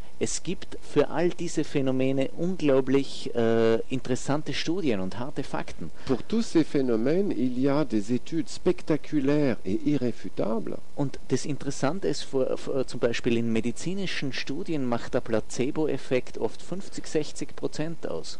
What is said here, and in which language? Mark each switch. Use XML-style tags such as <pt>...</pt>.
<de>Es gibt für all diese Phänomene unglaublich interessante Studien und harte Fakten.</de> <fr>Pour tous ces phénomènes, il y a des études spectaculaires et irréfutables.</fr> <de>Und das Interessante ist, zum Beispiel in medizinischen Studien macht der Placebo-Effekt oft 50-60% aus.</de>